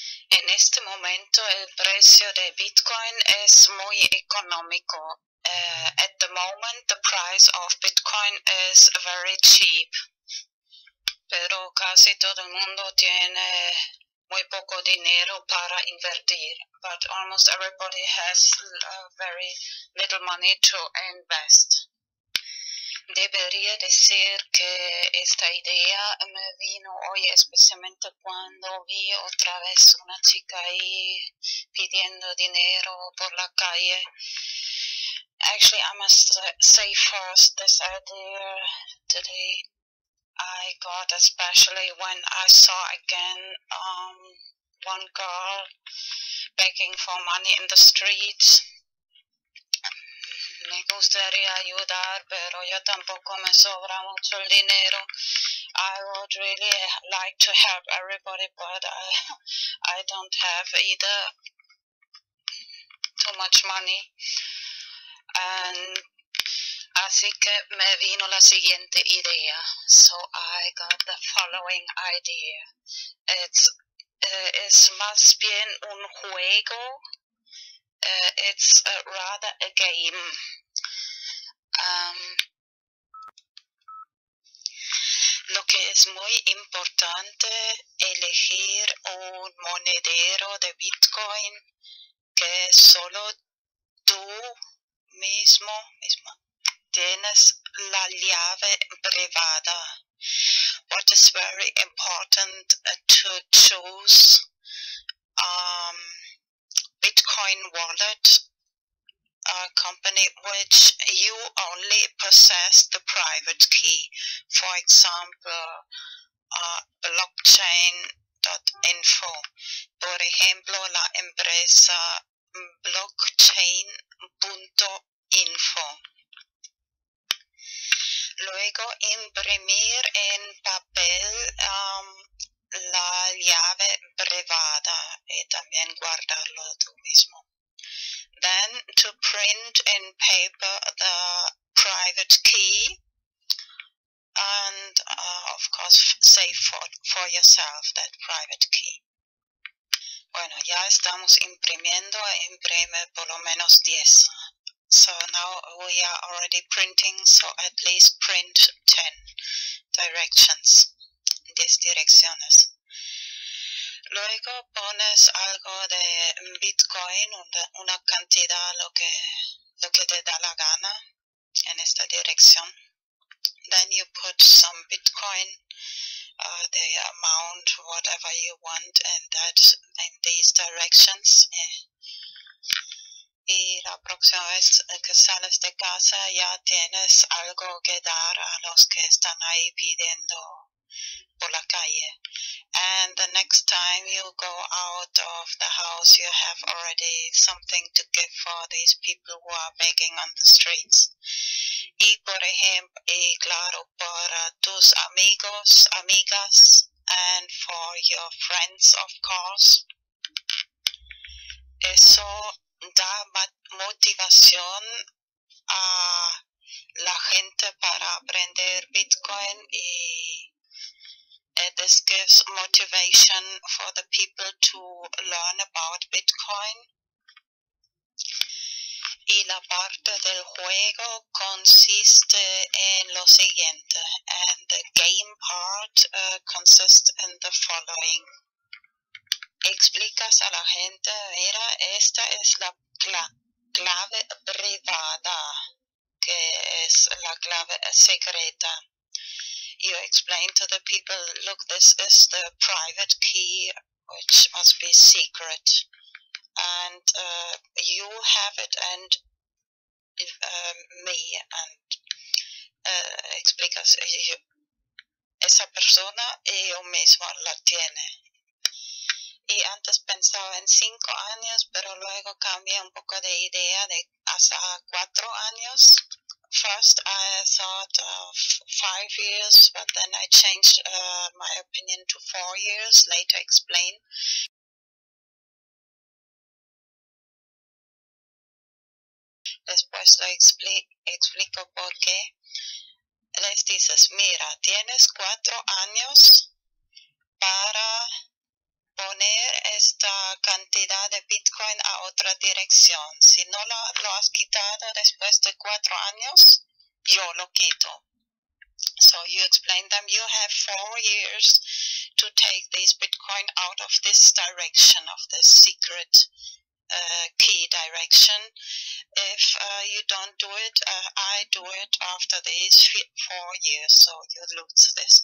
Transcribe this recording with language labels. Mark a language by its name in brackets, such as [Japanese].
[Spanish] En este momento el precio de Bitcoin es muy económico. [English] At the moment the price of Bitcoin is very cheap. [Spanish] Pero casi todo el mundo tiene muy poco dinero para invertir. [English] But almost everybody has very little money to invest. [Spanish] Debería decir que esta idea me vino hoy especialmente cuando vi otra vez una chica ahí pidiendo dinero por la calle. [English] Actually, I must say first this idea today I got especially when I saw again one girl begging for money in the streets. [Spanish] Me gustaría ayudar, pero yo tampoco me sobra mucho el dinero. [English] I would really like to help everybody, but I don't have either too much money. And [Spanish] así que me vino la siguiente idea. [English] So I got the following idea. It's [Spanish] más bien un juego. [English] It's rather a game. [Spanish] Lo que es muy importante elegir un monedero de Bitcoin que solo tú mismo tienes la llave privada. [English] What is very important to choose Bitcoin wallet, a company which you only possess the private key, for example, blockchain.info. [Spanish] Por ejemplo, la empresa blockchain.info. Luego, imprimir en papel la llave privada y también guardarlo tú mismo. [English] Then to print in paper the private key and of course save for yourself that private key. [Spanish] Bueno, ya estamos imprimiendo, imprime por lo menos 10. [English] So now we are already printing, so at least print 10 directions, [Spanish] 10 direcciones. Luego pones algo de Bitcoin, una cantidad, lo que te da la gana en esta dirección. [English] Then you put some Bitcoin, the amount, whatever you want, and that in these directions. [Spanish] Y la próxima vez que sales de casa ya tienes algo que dar a los que están ahí pidiendo por la calle. [English] And the next time you go out of the house, you have already something to give for these people who are begging on the streets. [Spanish] Y por ejemplo, y claro, para tus amigos, amigas, [English] and for your friends, of course. [Spanish] Eso da motivación a la gente para aprender Bitcoin y [English] this gives motivation for the people to learn about Bitcoin. [Spanish] Y la parte del juego consiste en lo siguiente. [English] And the game part consists in the following. [Spanish] Explicas a la gente, mira, esta es la clave privada, que es la clave secreta. [English] You explain to the people, look, this is the private key, which must be secret. And you have it, and me, and [Spanish] explicas, yo, esa persona y yo mismo la tiene. Y antes pensaba en 5 años, pero luego cambié un poco de idea de hasta 4 años. [English] First I thought of 5 years, but then I changed my opinion to 4 years, later explained. [Spanish] Después lo explico por qué. Les dices, mira, tienes 4 años para poner esta cantidad de Bitcoin a otra dirección. Si no lo has quitado después de 4 años, yo lo quito. [English] So you explain them, you have 4 years to take this Bitcoin out of this direction, of this secret key direction. If you don't do it, I do it after these 4 years, so you lose this.